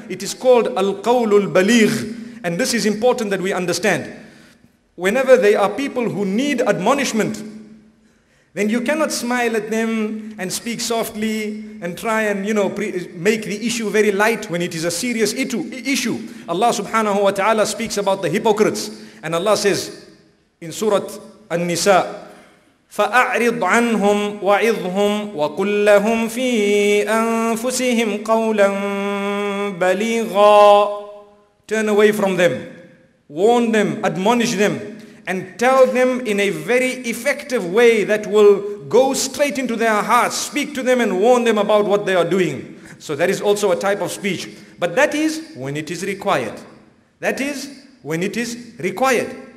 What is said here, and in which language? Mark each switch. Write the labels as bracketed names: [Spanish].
[English] It is called al-qawlul baligh. And this is important that we understand. Whenever there are people who need admonishment, then you cannot smile at them and speak softly and try and, you know, make the issue very light when it is a serious issue. Allah subhanahu wa ta'ala speaks about the hypocrites. And Allah says in Surah An-Nisa, [Arabic] فَأَعْرِضْ عَنْهُمْ وَعِظْهُمْ وَقُلْ لَهُمْ فِي أَنفُسِهِمْ قَوْلًا بَلِيغًا. [English] Turn away from them. Warn them, admonish them, and tell them in a very effective way that will go straight into their hearts. Speak to them and warn them about what they are doing. So that is also a type of speech. But that is when it is required. That is when it is required.